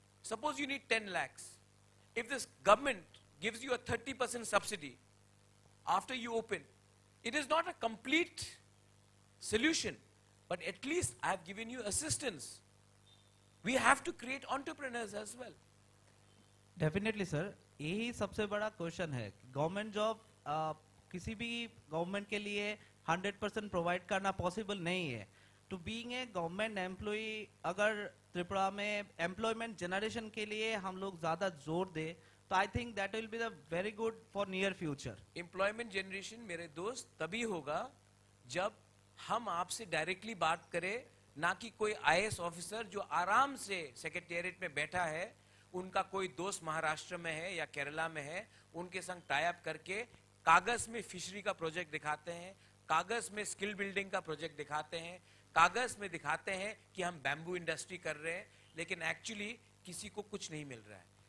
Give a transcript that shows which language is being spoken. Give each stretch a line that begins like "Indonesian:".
English: Suppose you need 10 lakhs. If this government gives you a 30% subsidy after you open, it is not a complete solution, but at least I have given you assistance. We have to create entrepreneurs as well. Definitely, sir.
Hindi: यही सबसे बड़ा question है. Government job किसी भी government के लिए 100% provide करना possible नहीं है.
English: To being a government employee,
Hindi: अगर त्रिपुरा में employment generation के लिए हम लोग ज़्यादा जोर दे, तो
English: I think that will be the very good for near future.
Hindi: Employment generation, मेरे दोस्त, तभी होगा जब हम आपसे directly बात करें. ना कि कोई IAS ऑफिसर जो आराम से सेक्रेटेरिएट में बैठा है, उनका कोई दोस्त महाराष्ट्र में है या केरला में है, उनके संग टाइप करके कागज में फिशरी का प्रोजेक्ट दिखाते हैं, कागज में स्किल बिल्डिंग का प्रोजेक्ट दिखाते हैं, कागज में दिखाते हैं कि हम बैम्बू इंडस्ट्री कर रहे हैं, लेकिन एक्चुअली किसी को कुछ नहीं मिल रहा है.